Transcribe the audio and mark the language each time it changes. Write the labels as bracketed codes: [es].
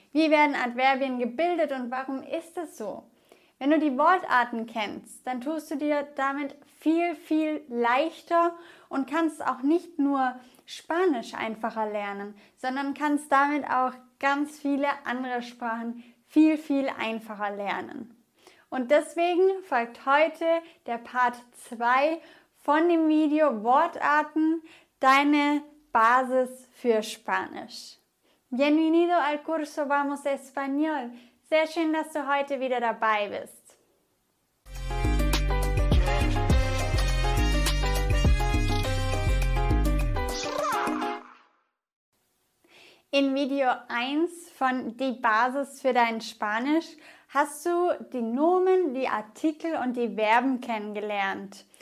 [de] Wie werden Adverbien gebildet und warum ist es so? Wenn du die Wortarten kennst, dann tust du dir damit viel, viel leichter und kannst auch nicht nur Spanisch einfacher lernen, sondern kannst damit auch ganz viele andere Sprachen viel, viel einfacher lernen. Und deswegen folgt heute der Part 2 von dem Video Wortarten, deine Basis für Spanisch. [es] Bienvenido al curso Vamos Español. [de] Sehr schön, dass du heute wieder dabei bist. In Video 1 von Die Basis für dein Spanisch hast du die Nomen, die Artikel und die Verben kennengelernt.